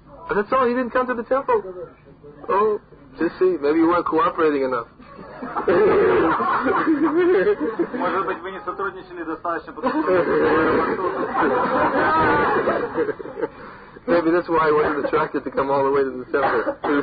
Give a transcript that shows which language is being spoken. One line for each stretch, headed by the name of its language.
English: And that's all? He didn't come to the temple? Oh, just see, maybe you weren't cooperating enough.
Russian: Может быть, вы не сотрудничали достаточно, потому что вы не были.
English: Maybe that's why I wasn't attracted to come all the way to the temple.